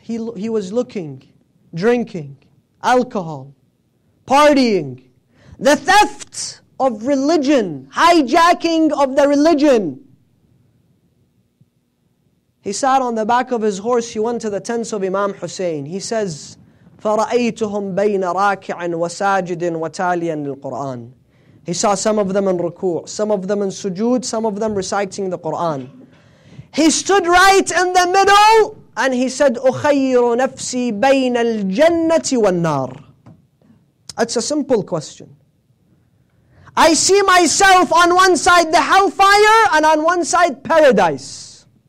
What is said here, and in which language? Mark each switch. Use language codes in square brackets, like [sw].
[en] He was looking, drinking, alcohol, partying. The theft of religion, hijacking of the religion. He sat on the back of his horse. He went to the tents of Imam Hussein. He says, [ar] فَرَأَيْتُهُمْ بَيْنَ رَاكِعٍ وَسَاجِدٍ وَتَالِيًا لِلْقُرْآنِ. [en] He saw some of them in ruku', some of them in sujood, some of them reciting the Qur'an. He stood right in the middle and he said, [ar] أُخَيِّرُ نَفْسِي بَيْنَ الْجَنَّةِ وَالنَّارِ. [en] It's a simple question. I see myself on one side the hellfire and on one side paradise.